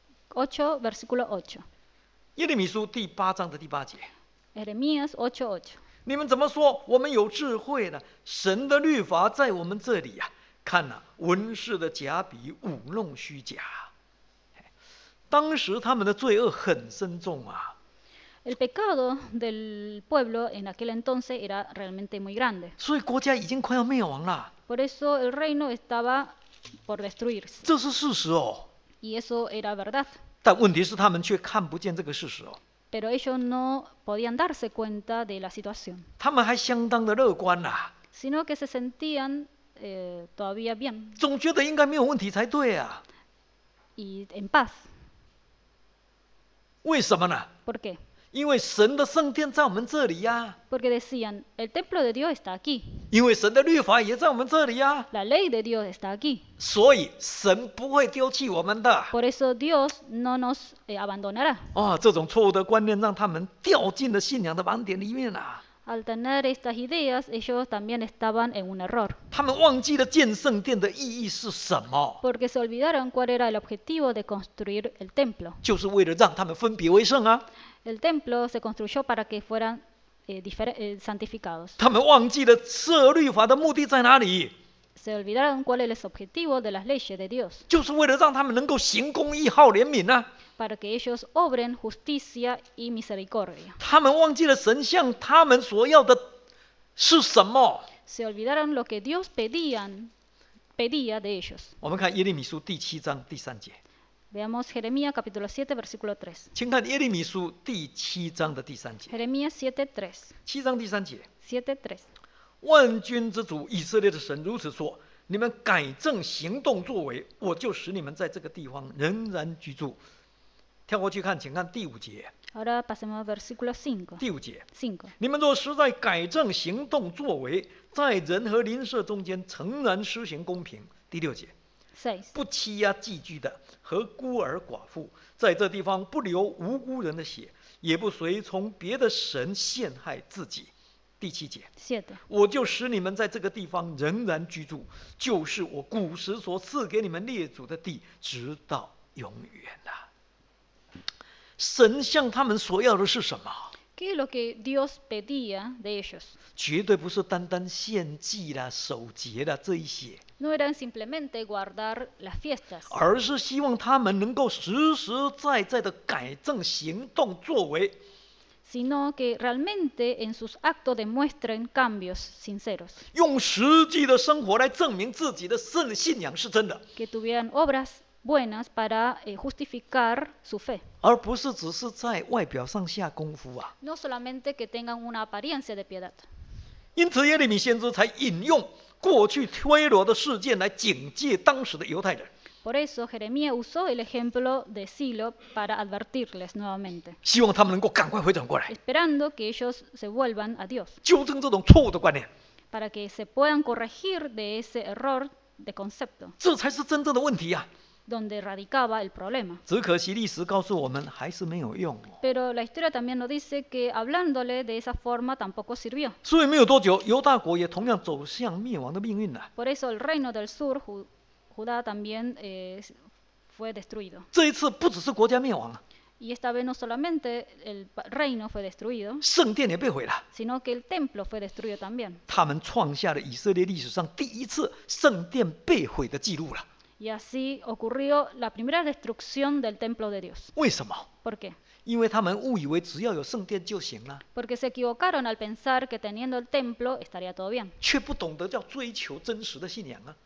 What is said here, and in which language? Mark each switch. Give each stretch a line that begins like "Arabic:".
Chinese: 8:8。耶利米书第八章的第八节。Jeremías 8:8。你们怎么说？我们有智慧呢？神的律法在我们这里呀、啊。看呐、啊，文士的假笔舞弄虚假。当时他们的罪恶很深重啊。
Spanish: El pecado del pueblo en aquel entonces era realmente muy grande.
Chinese: 所以国家已经快要灭亡了。
Spanish: Por eso el reino estaba por destruirse.
Chinese: 这是事实哦。
Spanish: Y eso era verdad.
Chinese: 但问题是他们却看不见这个事实哦。
Spanish: Pero ellos no podían darse cuenta de la situación.
Chinese: 他们还相当的乐观呐、啊。
Spanish: Sino que se sentían todavía bien.
Chinese: 总觉得应该没有问题才对啊。
Spanish: Y en paz.
Chinese: 为什么呢
Spanish: ？Por qué？
Chinese: 因为神的圣殿在我们这里呀、啊。
Spanish: Porque decían el templo de Dios está aquí。
Chinese: 因为神的律法也在我们这里呀、
Spanish: 啊。La ley de Dios está aquí。
Chinese: 所以神不会丢弃我们的。
Spanish: Por eso Dios no nos abandonará。
Chinese: 哦，这种错误的观念让他们掉进了信仰的盲点里面啦、啊。
Spanish: Al tener estas ideas, ellos también estaban en un error.
Chinese: 他们忘记了建圣殿的意义是什么。
Spanish: Porque se olvidaron cuál era el objetivo de construir el templo.
Chinese: 就是为了让他们分别为圣啊。
Spanish: El templo se construyó para que fueran santificados.
Chinese: 他们忘记了设律法的目的在哪里。
Spanish: Se olvidaron cuál era el objetivo de las leyes de Dios.
Chinese: 就是为了让他们能够行公义、好怜悯啊。
Spanish: Para que ellos obren justicia y misericordia.
Chinese: 他们忘记了神向他们所要的是什么。
Spanish: Se olvidaron lo que Dios pedía de ellos.
Chinese: 我们看耶利米书第七章第三节。
Spanish: Veamos Jeremías capítulo 7 versículo 3.
Chinese: 请看耶利米书第七章的第三节。
Spanish: Jeremías 7:3.
Chinese: 七章第三节。
Spanish: 7:3.
Chinese: 万军之主以色列的神如此说：你们改正行动作为，我就使你们在这个地方仍然居住。跳过去看，请看第五节。
Spanish: Ahora pasemos al versículo 5.
Chinese: 第五节。
Spanish: 5.
Chinese: 你们若实在改正行动作为，在人和邻舍中间诚然施行公平。第六节。
Spanish: 6.
Chinese: 不欺压寄居的和孤儿寡妇，在这地方不流无辜人的血，也不随从别的神陷害自己。第七节。
Spanish: 7.
Chinese: 我就使你们在这个地方仍然居住，就是我古时所赐给你们列祖的地，直到永远啊。神向他们所要的是什么？
Spanish: ¿Qué es lo que Dios pedía de ellos?
Chinese: 绝对不是单单献祭啦、守节啦这一些。
Spanish: No eran simplemente guardar las fiestas.
Chinese: 而是希望他们能够实实在在的改正行动作为。
Spanish: Sino que realmente en sus actos demuestren cambios sinceros.
Chinese: 用实际的生活来证明自己的信仰是真的。
Spanish: Que tuvieran obras. Buenas para justificar su fe.
Chinese: 而不是只是在外表上下功夫啊。
Spanish: No solamente que tengan una apariencia de piedad.
Chinese: 因此耶利米先知才引用过去推罗的事件来警戒当时的犹太人。
Spanish: Por eso Jeremías usó el ejemplo de Silo para advertirles nuevamente.
Chinese: 希望他们能够赶快回转过来。
Spanish: Esperando que ellos se vuelvan a Dios.
Chinese: 纠正这种错误的观念。
Spanish: Para que se puedan corregir de ese error de concepto.
Chinese: 这才是真正的问题啊。
Spanish: Donde radicaba el problema.
Chinese: 只可惜历史告诉我们还是没有用、哦、
Spanish: Pero la historia también nos dice que hablándole de esa forma tampoco sirvió.
Chinese: 所以没有多久，犹大国也同样走向灭亡的命运了。
Spanish: Por eso el reino del sur, Judá también fue destruido.
Chinese: 这一次不只是国家灭亡。
Spanish: Y esta vez no solamente el reino fue destruido,
Chinese: 圣殿也被毁了,
Spanish: sino que el templo fue destruido también.
Chinese: 他们创下了以色列历史上第一次圣殿被毁的记录了。
Spanish: Y así ocurrió la primera destrucción del templo de Dios.
Chinese: 为什么?
Spanish: ¿Por qué?
Chinese: 因为他们误以为只要有圣殿就行了。
Spanish: Porque se equivocaron al pensar que teniendo el templo estaría todo bien.
Chinese: 却不懂得要追求真实的信仰啊。